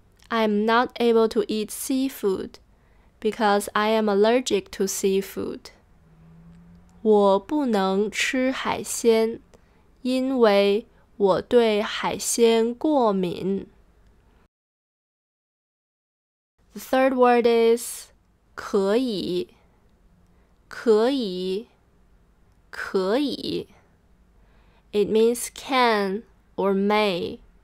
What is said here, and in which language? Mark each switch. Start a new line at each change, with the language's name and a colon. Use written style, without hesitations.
English: I'm not able to eat seafood because I am allergic to seafood.
Chinese: 我不能吃海鲜，因为我对海鲜过敏。
English: The third word is 可以可以可以 It means can or may.